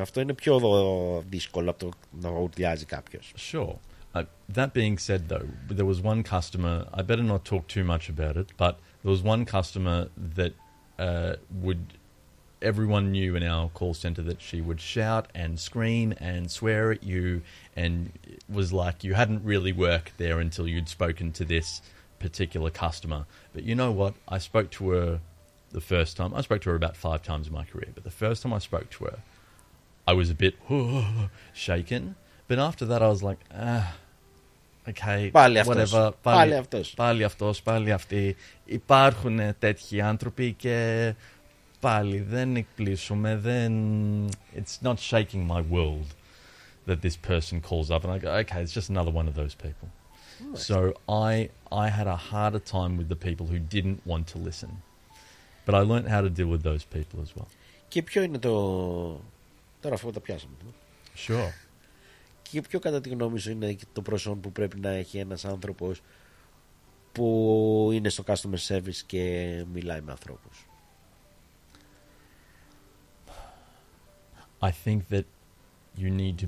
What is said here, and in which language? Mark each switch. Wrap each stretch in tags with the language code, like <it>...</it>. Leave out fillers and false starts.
<el>αυτό είναι πιο δύσκολο από το να ουρλιάζει κάποιος.</el> <en>Sure. That being said, though, there was one customer... I better not talk too much about it, but there was one customer that would... Everyone knew in our call center that she would shout and scream and swear at you, and it was like you hadn't really worked there until you'd spoken to this particular customer. But you know what? I spoke to her the first time. I spoke to her about 5 times in my career, but the first time I spoke to her, I was a bit shaken. But after that, I was like, okay,</en> <el>πάλι</el> <en>whatever.</en> <el>Πάλι αυτός. Πάλι αυτή. Υπάρχουν τέτοιοι άνθρωποι και... Πάλι δεν εκπλήσουμε, δεν...</el> <en>It's not shaking my world that this person calls up. And I go, okay, it's just another one of those people. Nice. So I had a harder time with the people who didn't want to listen. But I learned how to deal with those people as well.</en> <el>Και ποιο είναι το... Τώρα αφού τα πιάσαμε.</el> <en>Sure.</en> <el>Και ποιο κατά τη γνώμη σου είναι το προσόν που πρέπει να έχει ένας άνθρωπος που είναι στο customer service και μιλάει με ανθρώπους?</el> <en>I think that you need to be...</en>